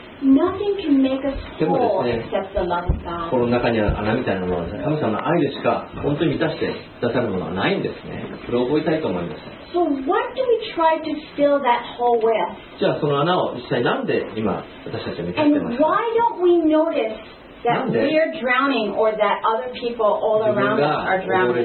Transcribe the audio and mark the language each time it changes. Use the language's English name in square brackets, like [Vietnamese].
[English] Nothing can make us whole except the love of God. [Japanese] この中には穴みたいなものは、神様の愛でしか本当に満たしてくださるものはないんですね。それを覚えたいと思います。 [English] So what do we try to fill that hole with? [Japanese] じゃあその穴を実際なんで今私たちは満たしてますか? [English] And why don't we notice? That we're drowning, or that other people all around us are drowning.